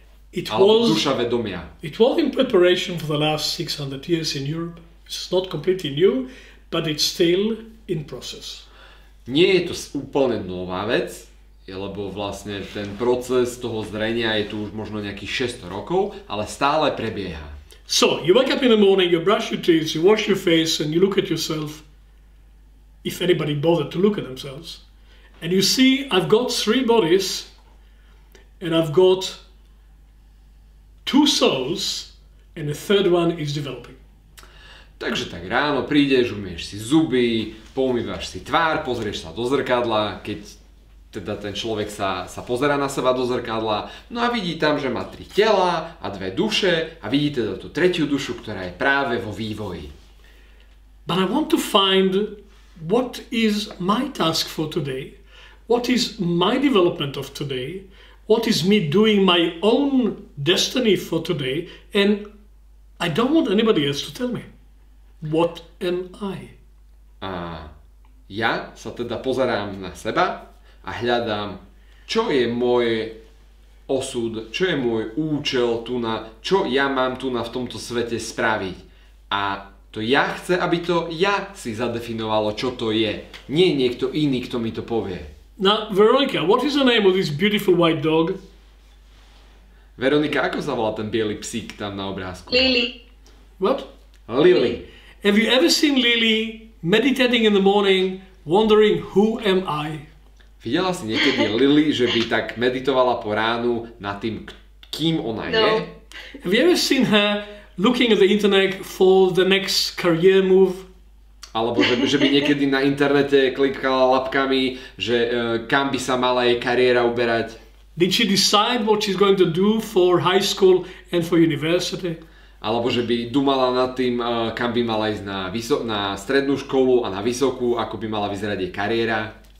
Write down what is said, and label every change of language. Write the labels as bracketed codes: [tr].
[sk] Duša vedomia. [en] It was in preparation for the last 600 years in Europe. It's not completely new, but it's still in process. [sk] Nie je to úplne nová vec, lebo vlastne ten proces toho zrenia je tu už možno nejakých 600 rokov, ale stále prebieha. [en] So, you wake up in the morning, you brush your teeth, you wash your face and you look at yourself, if anybody bothered to look at themselves, and you see I've got three bodies and I've got two souls and a third one is developing. [sk] Takže tak ráno prídeš, umieš si zuby, poumývaš si tvár, pozrieš sa do zrkadla, keď teda ten človek sa pozerá na seba do zrkadla, no a vidí tam, že má tri tela a dve duše a vidí teda tú tretiu dušu, ktorá je práve vo vývoji. [en] But I want to find what is my task for today, what is my development of today, what is me doing my own destiny for today, and I don't want anybody else to tell me. What am I? [sk] A ja sa teda pozerám na seba a hľadám, čo je môj osud, čo je môj účel tu na, čo ja mám tu na v tomto svete spraviť. A to ja chce, aby to ja si zadefinovalo, čo to je. Nie niekto iný, kto mi to povie. [en] Now, Veronica, what is the name of this beautiful white dog? [sk] Veronika, ako sa volá ten biely psík tam na obrázku? [en] Lily. What? Lily. Have you ever seen Lily meditating in the morning, wondering who am I? [sk] Videla si niekedy Lily, že by tak meditovala po ránu nad tým, kým ona no. je? [en] Have you ever seen her looking at the internet for the next career move? [sk] Alebo že by niekedy na internete klikala labkami, že kam by sa mala jej kariéra uberať? [en] Did she decide what she's going to do for high school and for university? [sk] Alebo že by dumala nad tým, kam by mala ísť na strednú školu a na vysokú, ako by mala vyzerať jej kariéra.